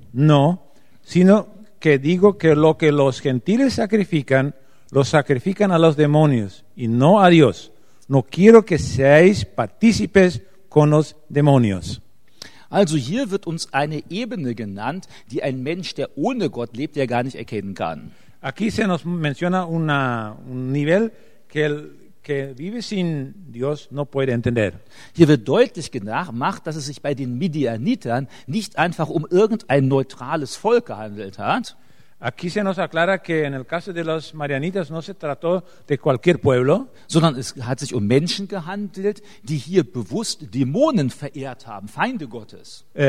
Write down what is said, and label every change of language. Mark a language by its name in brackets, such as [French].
[Spanish] No, sino que digo que lo que los gentiles sacrifican, lo sacrifican a los demonios y no a Dios. No quiero que seáis partícipes con los demonios. [German] Also hier wird uns eine Ebene genannt, die ein Mensch, der ohne Gott lebt, ja gar nicht erkennen kann. [Spanish] Aquí se nos menciona una, un nivel que el que vive sin Dios no puede entender. [German] Hier wird deutlich gemacht, dass es sich bei den Midianitern nicht einfach um irgendein neutrales Volk gehandelt hat. [Spanish] Aquí se nos aclara que en el caso de los Marianitas no se trató de cualquier pueblo, [German] sondern es hat sich um Menschen gehandelt, die hier bewusst Dämonen verehrt haben, Feinde Gottes.